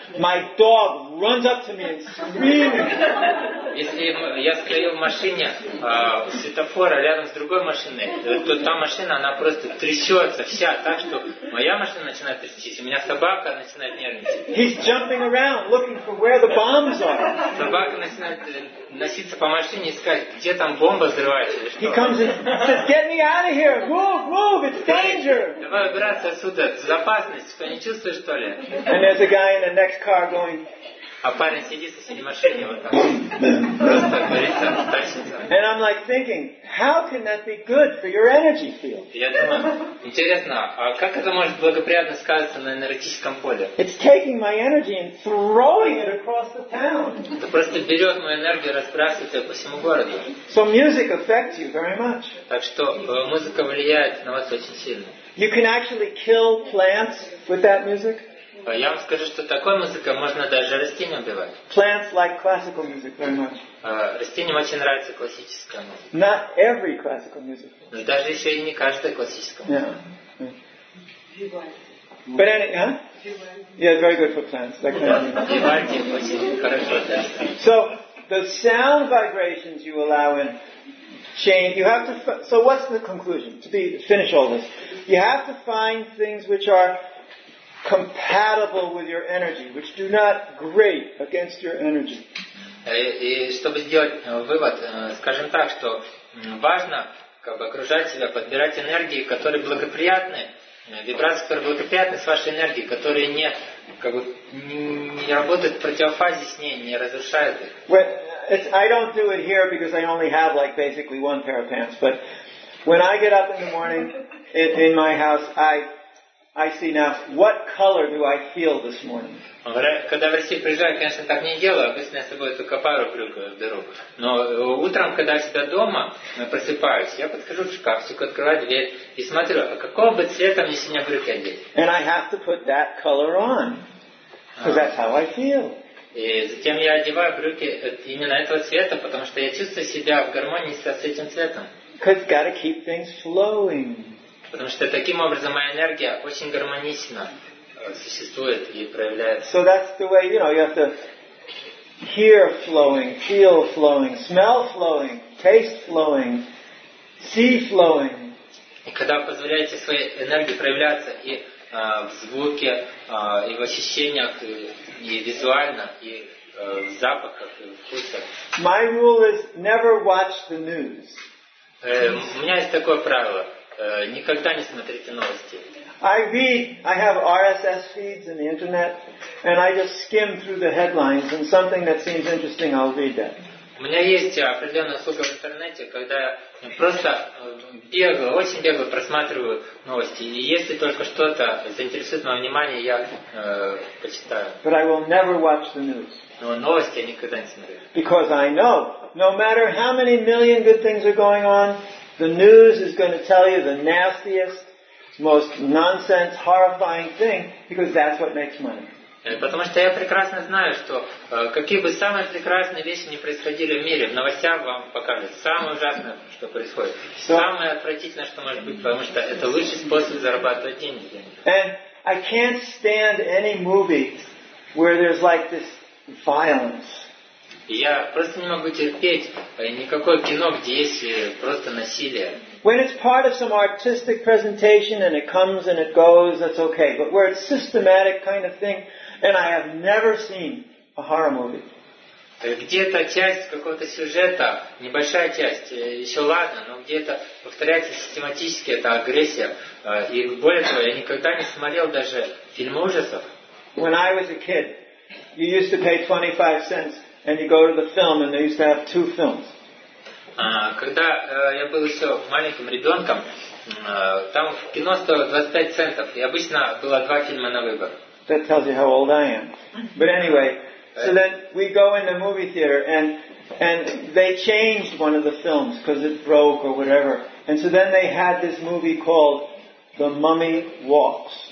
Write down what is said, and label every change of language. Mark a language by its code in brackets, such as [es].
[en] My dog runs up to me and screams. [ru] Если я стою в машине, светофора рядом с другой машиной, то та машина, она просто трясется вся так, что моя машина начинает трястись, у меня собака начинает нервничать. [en] He's jumping around looking for where the bombs are. [ru] Собака начинает носиться по машине и искать, где там бомба взрывается или что. [en] He comes and says, get me out of here. Move, move, it's danger. [ru] Давай убираться отсюда, это безопасность. Ты не чувствуешь, что ли? [en] And there's a guy in the next car going, [ru] а парень сидит в соседней машине вот там. Просто борется, тащится. [en] And I'm like thinking, how can that be good for your energy field? [ru] Я думаю, интересно, а как это может благоприятно сказаться на энергетическом поле? [en] It's taking my energy and throwing it across the town. [ru] Это просто берет мою энергию и разбрасывает ее по всему городу. [en] So music affects you very much. [ru] Так что музыка влияет на вас очень сильно. [en] You can actually kill plants with that music. [ru] Я вам скажу, что такой музыкой можно даже растения убивать. [en] Plants like classical music very much. [ru] Растениям очень нравится классическая музыка. [en] Not every classical music. [ru] Но даже еще и не каждая классическая музыка. [en] Yeah. But any, huh? Yeah, very good for plants. That kind of music. [ru] Вивальди очень хорошо. [en] So the sound vibrations you allow in change. You have to. So what's the conclusion? To be finish all this, you have to find things which are compatible with your energy, which do not grate against your energy. [ru] И чтобы сделать вывод, скажем так, что важно как бы окружать себя, подбирать энергии, которые благоприятны, вибрации, которые благоприятны с вашей энергией, которые не как бы не работают в противофазе с ней, не разрушают их. [en] Well, I don't do it here because I only have like basically one pair of pants, but when I get up in the morning in my house, I see now, what color do I feel this morning? [ru] Когда в Россию приезжаю, конечно, так не делаю. Обычно я с собой только пару брюк беру. Но утром, когда я себя дома просыпаюсь, я подхожу в шкафчик, открываю дверь и смотрю, а какого бы цвета мне сегодня брюки одеть? [en] And I have to put that color on. Because that's how I feel. [ru] И затем я одеваю брюки именно этого цвета, потому что я чувствую себя в гармонии с этим цветом. [en] Because gotta keep things flowing. [ru] Потому что таким образом моя энергия очень гармонично существует и проявляется. [en] So that's the way, you know, you have to hear flowing, feel flowing, smell flowing, taste flowing, see flowing. [ru] И когда вы позволяете своей энергии проявляться и в звуке, и в ощущениях, и визуально, и в запахах, и в вкусах. [en] My rule is never watch the news. [ru] У меня есть такое правило. Никогда не смотрите новости. [en] I read, I have RSS feeds in the internet, and I just skim through the headlines, and something that seems interesting, I'll read that. [ru] У меня есть определенная услуга в интернете, когда я просто бегаю, очень бегаю, просматриваю новости. И если только что-то заинтересует мое внимание, я почитаю. [en] But I will never watch the news. [ru] Но новости я никогда не смотрю. [en] Because I know, no matter how many million good things are going on, the news is going to tell you the nastiest, most nonsense, horrifying thing, because that's what makes money. [ru] Потому что я прекрасно знаю, что какие бы самые прекрасные вещи ни происходили в мире, в новостях вам покажут самое ужасное, что происходит. Самое отвратительное, что может быть, потому что это лучший способ зарабатывать деньги. [en] And I can't stand any movie where there's like this violence. [ru] Я просто не могу терпеть никакое кино, где есть просто насилие. [en] When it's part of some artistic presentation and it comes and it goes, that's okay. But where it's systematic kind of thing, and I have never seen a horror movie. [ru] Где-то часть какого-то сюжета, небольшая часть, еще ладно, но где-то повторяется систематически эта агрессия. И более того, я никогда не смотрел даже фильмы ужасов. [en] When I was a kid, you used to pay 25 cents and you go to the film and they used to have two films. [ru] Когда я был еще маленьким ребенком, там в кино стоило 25 центов, и обычно было два фильма на выбор. [en] That tells you how old I am. But anyway, so then we go in the movie theater and they changed one of the films because it broke or whatever. And so then they had this movie called The Mummy Walks.